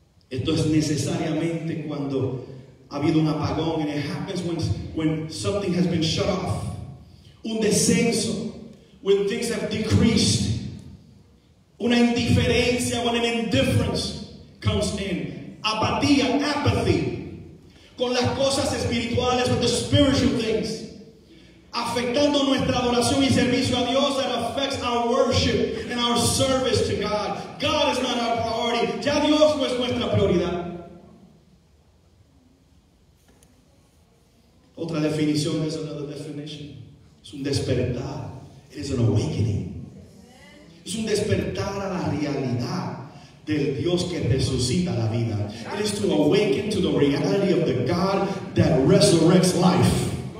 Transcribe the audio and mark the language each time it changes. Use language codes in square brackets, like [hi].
[es] Esto es necesariamente cuando ha habido un apagón. [en] And it happens when something has been shut off. [es] Un descenso. [en] When things have decreased. [es] Una indiferencia. [en] When an indifference comes in. [es] Apatía, apathy. Con las cosas espirituales. [en] With the spiritual things. [es] Afectando nuestra adoración y servicio a Dios. [en] That affects our worship and our service to God. God is not our priority. [es] Ya Dios no es nuestra prioridad. Otra definición es [en] another definition. [es] Es un despertar. [en] It is an awakening. [es] Es un despertar a la realidad del Dios que resucita la vida. [en] It is to awaken to the reality of the God that resurrects life.